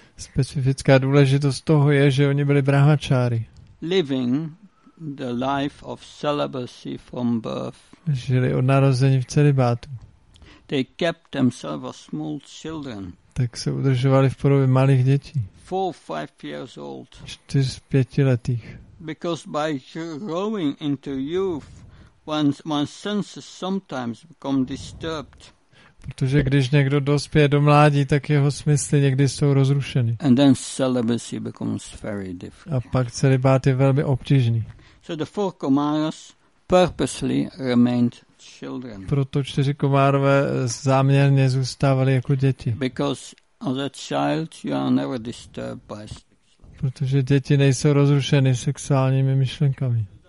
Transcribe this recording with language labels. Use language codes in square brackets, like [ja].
[cs] Specifická důležitost toho je, že oni byli brahmačáry. [en] Living the life of celibacy from birth. [cs] Žili od narození v celibátu. [en] They kept themselves as small children. [cs] Tak se udržovali v podobě malých dětí. [en] 4-5 years old. [cs] 4-5 letých. [en] Because by growing into youth, one's senses sometimes become disturbed. [cs] Protože když někdo dospěje do mládí, tak jeho smysly někdy jsou rozrušeny. [en] And then celibacy becomes very difficult. [cs] A pak celibát je velmi obtížný. [en] So the four Kumaras purposely remained children. [cs] Proto čtyři Kumarové záměrně zůstávali jako děti. [en] Because as a child you are never disturbed by sexual. [cs] Protože děti nejsou rozrušeny sexuálními myšlenkami.